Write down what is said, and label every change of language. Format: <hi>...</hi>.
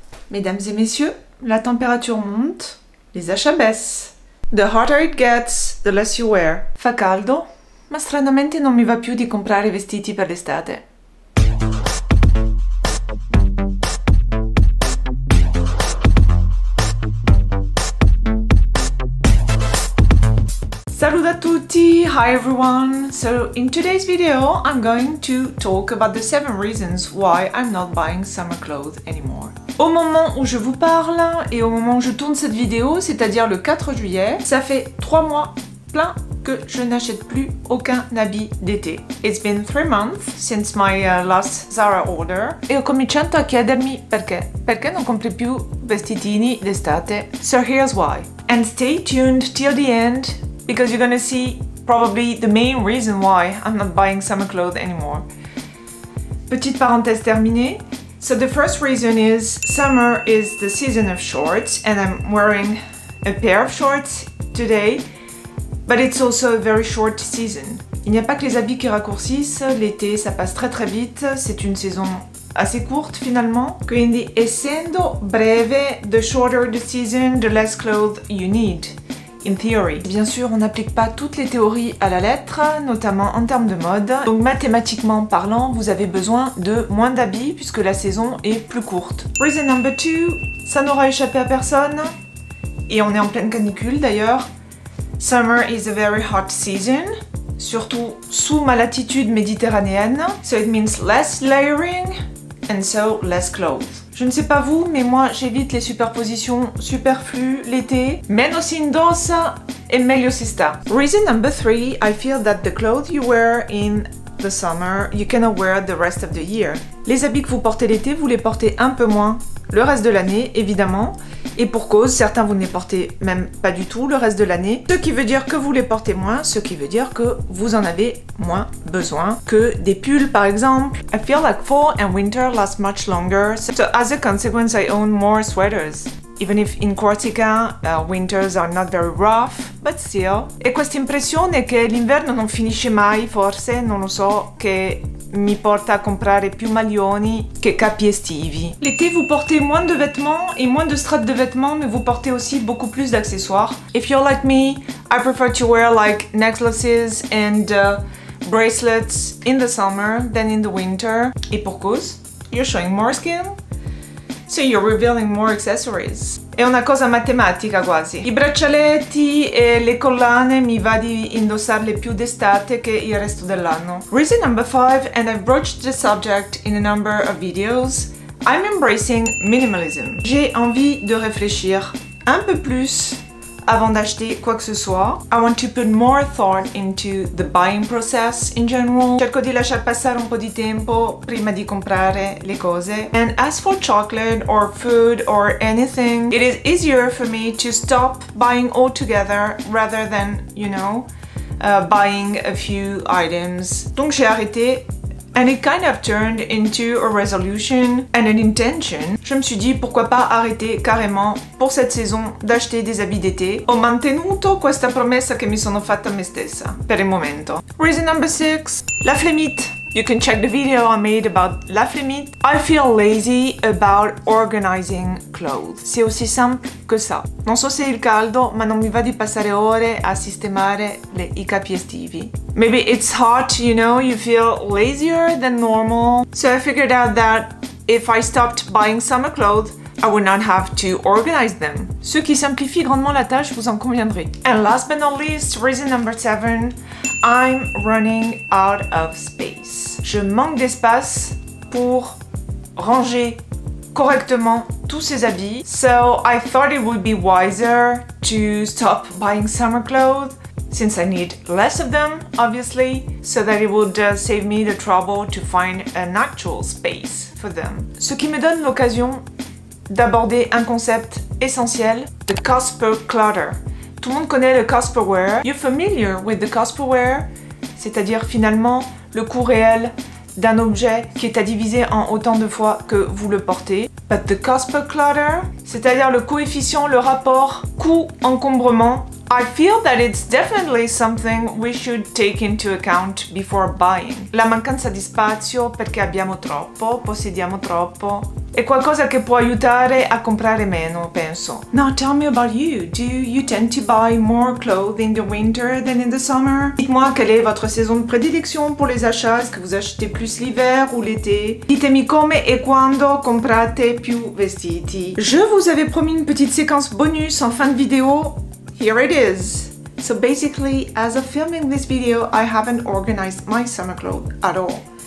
<fr>Mesdames et messieurs, la température monte, les achats baissent.</fr> <en>The hotter it gets, the less you wear.</en> <it>Fa caldo, ma stranamente non mi va più di comprare vestiti per l'estate. Salut a tutti!</it> <en>Hi everyone! So in today's video, I'm going to talk about the 7 reasons why I'm not buying summer clothes anymore.</en> <fr>Au moment où je vous parle et au moment où je tourne cette vidéo, c'est-à-dire le 4 juillet, ça fait 3 mois plein que je n'achète plus aucun habit d'été.</fr> <en>It's been 3 months since my last Zara order.</en> <it>E ho cominciato a chiedermi perché. Perché non compri più vestitini d'estate?</it> <en>So here's why. And stay tuned till the end. Because you're gonna see probably the main reason why I'm not buying summer clothes anymore.</en> <fr>Petite parenthèse terminée.</fr> <en>So the first reason is summer is the season of shorts and I'm wearing a pair of shorts today, but it's also a very short season.</en> <fr>Il n'y a pas que les habits qui raccourcissent, l'été ça passe très très vite, c'est une saison assez courte finalement.</fr> <it>Quindi essendo breve,</it> <en>the shorter the season, the less clothes you need. In theory.</en> <fr>Bien sûr, on n'applique pas toutes les théories à la lettre, notamment en termes de mode. Donc mathématiquement parlant, vous avez besoin de moins d'habits puisque la saison est plus courte.</fr> <en>Reason number two,</en> <fr>ça n'aura échappé à personne. Et on est en pleine canicule d'ailleurs.</fr> <en>Summer is a very hot season.</en> <fr>Surtout sous ma latitude méditerranéenne.</fr> <en>So it means less layering and so less clothes.</en> <fr>Je ne sais pas vous, mais moi j'évite les superpositions superflues l'été.</fr> <it>Meno si indossa e meglio si sta.</it> <en>Reason number three, I feel that the clothes you wear in the summer, you cannot wear the rest of the year.</en> <fr>Les habits que vous portez l'été, vous les portez un peu moins le reste de l'année, évidemment. Et pour cause, certains vous ne les portez même pas du tout le reste de l'année. Ce qui veut dire que vous les portez moins, ce qui veut dire que vous en avez moins besoin que des pulls par exemple.</fr> <en>I feel like fall and winter last much longer, so as a consequence I own more sweaters. Even if in Corsica, winters are not very rough, but still.</en> <it>E questa impressione che l'inverno non finisce mai, forse, non lo so, che mi porta a comprare più maglioni che capi estivi.</it> <fr>L'été vous portez moins de vêtements et moins de straps de vêtements, mais vous portez aussi beaucoup plus d'accessoires.</fr> <en>If you're like me, I prefer to wear like necklaces and bracelets in the summer than in the winter.</en> <fr>Et pour cause,</fr> <en>you're showing more skin, so you're revealing more accessories.</en> <it>È una cosa matematica quasi. I braccialetti e le collane mi va di indossarle più d'estate che il resto dell'anno.</it> <en>Reason number 5, and I've broached the subject in a number of videos, I'm embracing minimalism.</en> <fr>J'ai envie de réfléchir un peu plus avant d'acheter quoi que ce soit.</fr> <en>I want to put more thought into the buying process in general.</en> <it>Cerco di lasciar passare un po' di tempo prima di comprare le cose.</it> <en>And as for chocolate or food or anything, it is easier for me to stop buying altogether rather than, you know, buying a few items.</en> <fr>Donc j'ai arrêté.</fr> <en>And it kind of turned into a resolution and an intention.</en> <fr>Je me suis dit pourquoi pas arrêter carrément pour cette saison d'acheter des habits d'été.</fr> <it>Ho mantenuto questa promessa che mi sono fatta a me stessa per il momento.</it> <en>Reason number 6,</en> <fr>la flemmite.</fr> <en>You can check the video I made about la flemmite. I feel lazy about organizing clothes.</en> <fr>C'est aussi simple que ça.</fr> <it>Non so se è il caldo, ma non mi va di passare ore a sistemare i capi estivi.</it> <en>Maybe it's hot, you know, you feel lazier than normal. So I figured out that if I stopped buying summer clothes, I would not have to organize them.</en> <fr>Ce qui simplifie grandement la tâche, vous en conviendrez.</fr> <en>And last but not least, reason number 7, I'm running out of space.</en> <fr>Je manque d'espace pour ranger correctement tous ces habits.</fr> <en>So I thought it would be wiser to stop buying summer clothes. Since I need less of them, obviously, so that it would save me the trouble to find an actual space for them.</en> <fr>Ce qui me donne l'occasion d'aborder un concept essentiel,</fr> <en>the Casper clutter.</en> <fr>Tout le monde connaît le Casperware.</fr> <en>You're familiar with the Casperware?</en> <fr>C'est-à-dire finalement le coût réel d'un objet qui est à diviser en autant de fois que vous le portez.</fr> <en>But the Casper clutter?</en> <fr>C'est-à-dire le coefficient, le rapport coût-encombrement</fr> <en>I feel that it's definitely something we should take into account before buying.</en> <it>La mancanza di spazio perché abbiamo troppo, possediamo troppo, è qualcosa che può aiutare a comprare meno, penso.</it> <en>Now tell me about you. Do you tend to buy more clothes in the winter than in the summer?</en> <fr>Dites-moi quelle est votre saison de prédilection pour les achats. Est-ce que vous achetez plus l'hiver ou l'été?</fr> <it>Ditemi come e quando comprate più vestiti.</it> <fr>Je vous avais promis une petite séquence bonus en fin de vidéo.</fr> <en>Here it is. So basically, as of filming this video, I haven't organized my summer clothes at all.</en>